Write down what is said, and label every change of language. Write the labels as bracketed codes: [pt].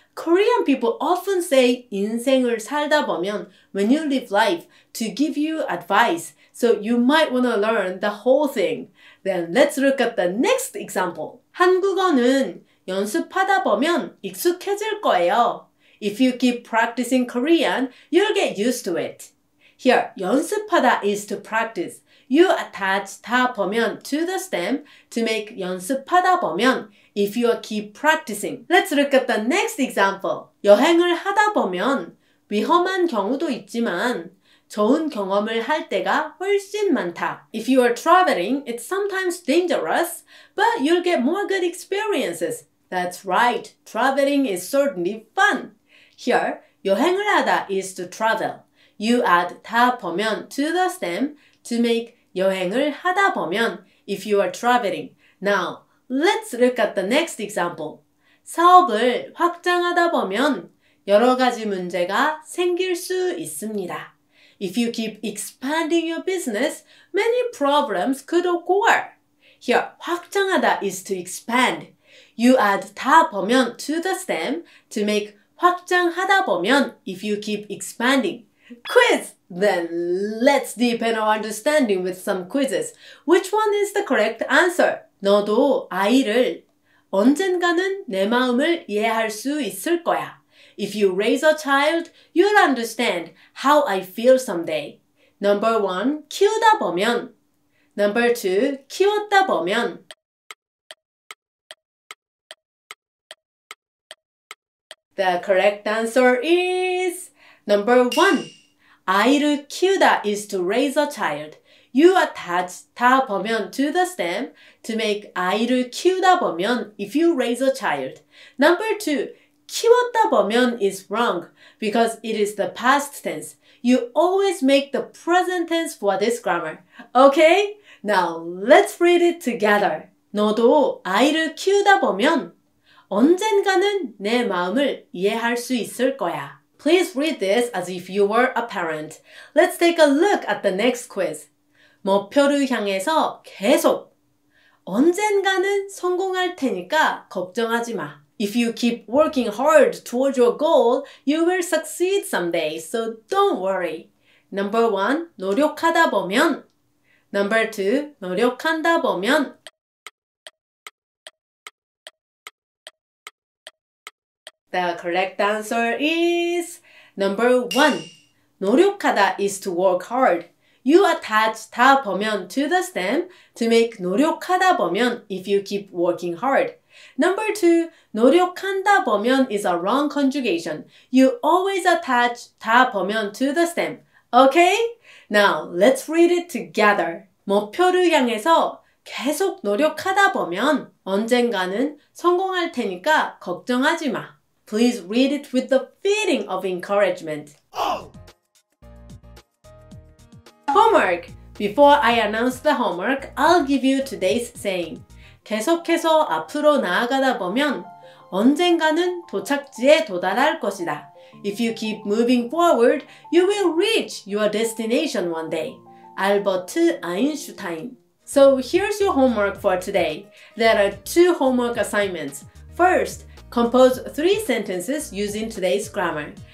[en] Korean people often say [ko] 인생을 살다 보면 [en] when you live life to give you advice. So you might want to learn the whole thing. Then let's look at the next example. [ko] 한국어는 연습하다 보면 익숙해질 거예요. [en] If you keep practicing Korean, you'll get used to it. Here, 연습하다 is to practice. You attach [ko] 다 보면 [en] to the stem to make [ko] 연습하다 보면 [en] if you keep practicing. Let's look at the next example. [ko] 여행을 하다 보면 위험한 경우도 있지만 좋은 경험을 할 때가 훨씬 많다. [en] If you are traveling, it's sometimes dangerous, but you'll get more good experiences. That's right. Traveling is certainly fun. Here, [ko] 여행을 하다 [en] is to travel. You add [ko] 다 보면 [en] to the stem to make [ko] 여행을 하다 보면 [en] if you are traveling. Now, let's look at the next example. [ko] 사업을 확장하다 보면 여러 가지 문제가 생길 수 있습니다. [en] If you keep expanding your business, many problems could occur. Here, 확장하다 is to expand. You add [ko] 다 보면 [en] to the stem to make [ko] 확장하다 보면 [en] if you keep expanding. Quiz! Then let's deepen our understanding with some quizzes. Which one is the correct answer? [ko] 너도 아이를 언젠가는 내 마음을 이해할 수 있을 거야. [en] If you raise a child, you'll understand how I feel someday. Number 1. [ko] 키우다 보면 [en] Number 2. [ko] 키웠다 보면 [en] The correct answer is Number 1. [ko] 아이를 키우다 [en] is to raise a child. You attach [ko] 다 보면 [en] to the stem to make [ko] 아이를 키우다 보면 [en] if you raise a child. Number 2. [ko] 키웠다 보면 [en] is wrong because it is the past tense. You always make the present tense for this grammar. Okay? Now, let's read it together. [ko] 너도 아이를 키우다 보면 언젠가는 내 마음을 이해할 수 있을 거야. [en] Please read this as if you were a parent. Let's take a look at the next quiz. [ko] 목표를 향해서 계속 언젠가는 성공할 테니까 걱정하지 마. [en] If you keep working hard towards your goal, you will succeed someday, so don't worry. Number 1. [ko] 노력하다 보면 [en] Number 2. [ko] 노력한다 보면 [en] The correct answer is Number 1. 노력하다 is to work hard. You attach [ko] 다 보면 [en] to the stem to make [ko] 노력하다 보면 [en] if you keep working hard. Number 2. [ko] 노력한다 보면 [en] is a wrong conjugation. You always attach [ko] 다 보면 [en] to the stem. Okay? Now, let's read it together. [ko] 목표를 향해서 계속 노력하다 보면 언젠가는 성공할 테니까 걱정하지 마. [en] Please read it with the feeling of encouragement. Oh! Homework! Before I announce the homework, I'll give you today's saying. [ko] 계속해서 앞으로 나아가다 보면 언젠가는 도착지에 도달할 것이다. [en] If you keep moving forward, you will reach your destination one day. 알버트 아인슈타인. So here's your homework for today. There are two homework assignments. First, compose three sentences using today's grammar.